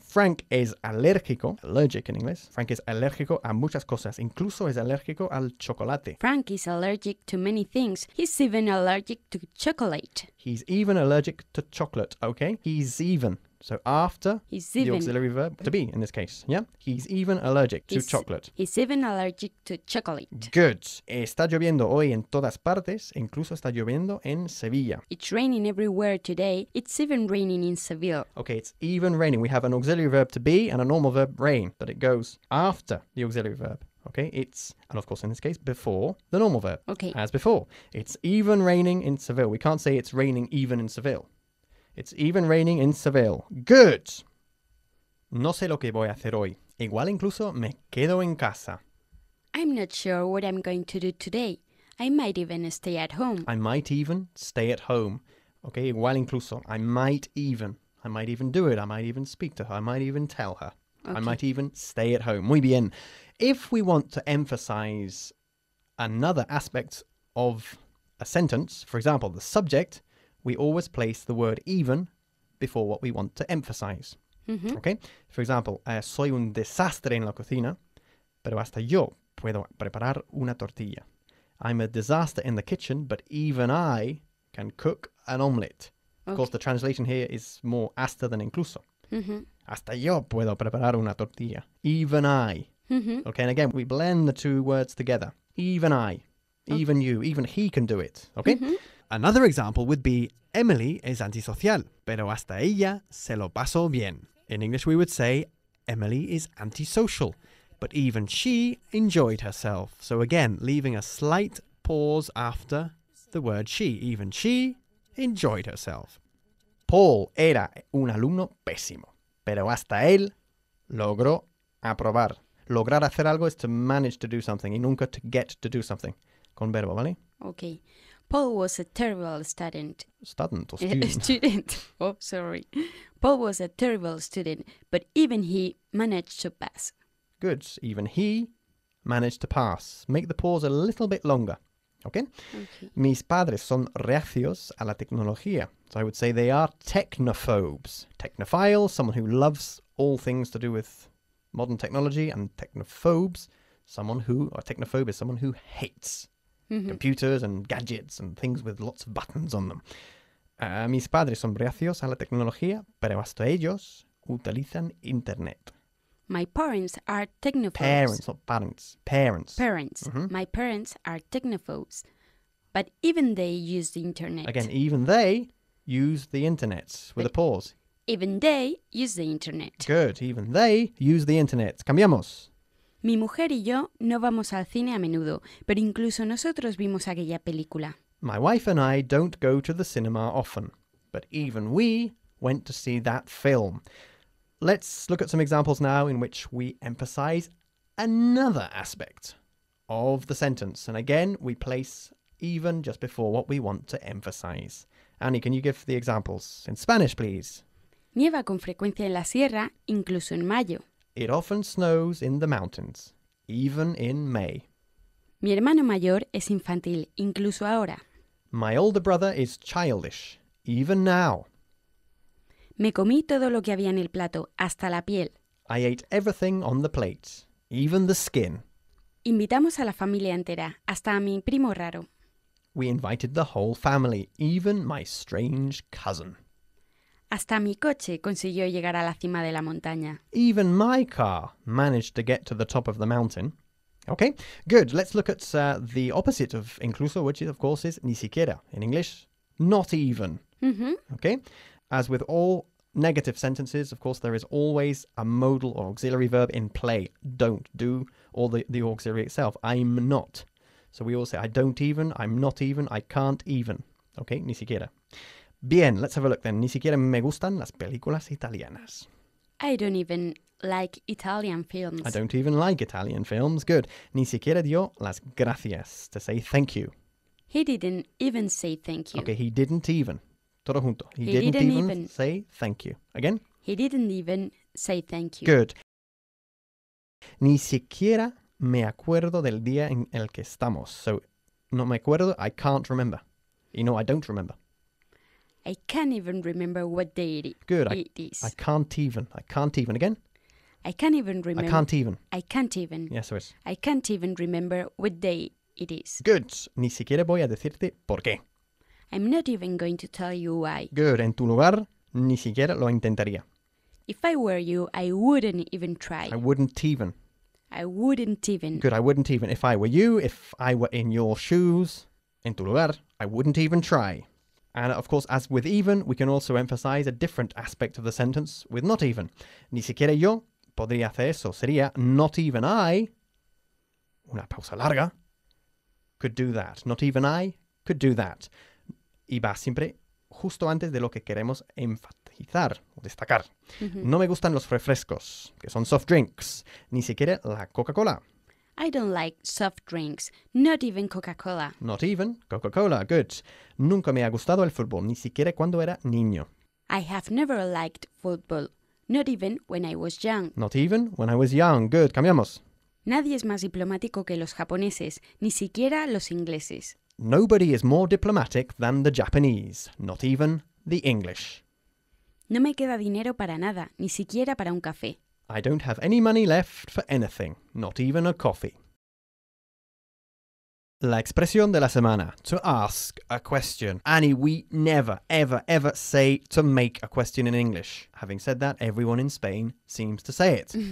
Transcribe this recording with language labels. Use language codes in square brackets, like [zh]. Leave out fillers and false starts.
[es] Frank es alérgico. [en] Allergic in English. [es] Frank es alérgico a muchas cosas. Incluso es alérgico al chocolate. [en] Frank is allergic to many things. He's even allergic to chocolate. He's even allergic to chocolate, okay? He's even. So after he's the auxiliary verb, to be in this case, yeah? He's even allergic to chocolate. He's even allergic to chocolate. Good. [es] Está lloviendo hoy en todas partes, incluso está lloviendo en Sevilla. [en] It's raining everywhere today. It's even raining in Seville. Okay, it's even raining. We have an auxiliary verb to be and a normal verb rain, but it goes after the auxiliary verb. Okay, it's, and of course in this case, before the normal verb. Okay. As before, it's even raining in Seville. We can't say it's raining even in Seville. It's even raining in Seville. Good. [es] No sé lo que voy a hacer hoy. Igual incluso me quedo en casa. [en] I'm not sure what I'm going to do today. I might even stay at home. I might even stay at home. Okay, [es] igual incluso. [en] I might even. I might even do it. I might even speak to her. I might even tell her. Okay. I might even stay at home. [es] Muy bien. [en] If we want to emphasize another aspect of a sentence, for example, the subject, we always place the word even before what we want to emphasize. Mm-hmm. Okay? For example, [es] soy un desastre en la cocina, pero hasta yo puedo preparar una tortilla. [en] I'm a disaster in the kitchen, but even I can cook an omelette. Okay. Of course, the translation here is more hasta than incluso. Mm-hmm. [es] Hasta yo puedo preparar una tortilla. [en] Even I. Mm-hmm. Okay, and again, we blend the two words together. Even I. Okay. Even you. Even he can do it. Okay? Mm-hmm. Another example would be, Emily is antisocial, [es] pero hasta ella se lo pasó bien. [en] In English, we would say, Emily is antisocial, but even she enjoyed herself. So again, leaving a slight pause after the word she. Even she enjoyed herself. [es] Paul era un alumno pésimo, pero hasta él logró aprobar. Lograr hacer algo [en] is to manage to do something, [es] y nunca [en] to get to do something. [es] Con verbo, ¿vale? [en] Okay. Paul was a terrible student. Student or student? Student. Oh, sorry. Paul was a terrible student, but even he managed to pass. Good. Even he managed to pass. Make the pause a little bit longer. Okay? Okay. [es] Mis padres son reacios a la tecnología. [en] So I would say they are technophobes. Technophile, someone who loves all things to do with modern technology, and technophobes, someone who, or technophobe is someone who hates mm-hmm. computers and gadgets and things with lots of buttons on them. [es] Mis padres son reacios a la tecnología, pero hasta ellos utilizan internet. [en] My parents are technophobes. Parents, not parents. Parents. Parents. Mm-hmm. My parents are technophobes, but even they use the internet. Again, even they use the internet, with a pause. Even they use the internet. Good. Even they use the internet. [es] Cambiamos. Mi mujer y yo no vamos al cine a menudo, pero incluso nosotros vimos aquella película. [en] My wife and I don't go to the cinema often, but even we went to see that film. Let's look at some examples now in which we emphasize another aspect of the sentence. And again, we place even just before what we want to emphasize. Annie, can you give the examples in Spanish, please? [es] Nieva con frecuencia en la sierra, incluso en mayo. [en] It often snows in the mountains, even in May. [es] Mi hermano mayor es infantil, incluso ahora. [en] My older brother is childish, even now. [es] Me comí todo lo que había en el plato, hasta la piel. [en] I ate everything on the plate, even the skin. [es] Invitamos a la familia entera, hasta a mi primo raro. [en] We invited the whole family, even my strange cousin. [es] Hasta mi coche consiguió llegar a la cima de la montaña. [en] Even my car managed to get to the top of the mountain. Okay, good. Let's look at the opposite of incluso, which is, of course, is ni siquiera. In English, not even. Mm-hmm. Okay, as with all negative sentences, of course, there is always a modal or auxiliary verb in play. Don't do, or the auxiliary itself. I'm not. So we all say, I don't even, I'm not even, I can't even. [es] Okay, ni siquiera. Bien, [en] let's have a look then. [es] Ni siquiera me gustan las películas italianas. [en] I don't even like Italian films. I don't even like Italian films. Good. [es] Ni siquiera dio las gracias, [en] to say thank you. He didn't even say thank you. Okay, he didn't even. [es] Todo junto. [en] He didn't even say thank you. Again? He didn't even say thank you. Good. [es] Ni siquiera me acuerdo del día en el que estamos. [en] So, [es] no me acuerdo, [en] I can't remember. You know, I don't remember. I can't even remember what day it is. Good. I can't even. I can't even. Again? I can't even remember. I can't even. I can't even. Yes, there is. I can't even remember what day it is. [es] Good. Ni siquiera voy a decirte por qué. [en] I'm not even going to tell you why. [es] Good. En tu lugar, ni siquiera lo intentaría. [en] If I were you, I wouldn't even try. I wouldn't even. I wouldn't even. Good. I wouldn't even. If I were you, if I were in your shoes, [es] en tu lugar, [en] I wouldn't even try. And, of course, as with even, we can also emphasize a different aspect of the sentence with not even. [es] Ni siquiera yo podría hacer eso. Sería [en] not even I, [es] una pausa larga, [en] could do that. Not even I could do that. [es] Y va siempre justo antes de lo que queremos enfatizar, destacar. [en] Mm-hmm. [es] No me gustan los refrescos, que son soft drinks. Ni siquiera la Coca-Cola. [en] I don't like soft drinks, not even Coca-Cola. Not even Coca-Cola, good. [es] Nunca me ha gustado el fútbol, ni siquiera cuando era niño. [en] I have never liked football, Not even when I was young. Not even when I was young. Good, [es] cambiamos. Nadie es más diplomático que los japoneses, ni siquiera los ingleses. [en] Nobody is more diplomatic than the Japanese, not even the English. [es] No me queda dinero para nada, ni siquiera para un café. [en] I don't have any money left for anything, not even a coffee. [es] La expresión de la semana, [en] to ask a question. Annie, we never, ever, ever say to make a question in English. Having said that, everyone in Spain seems to say it.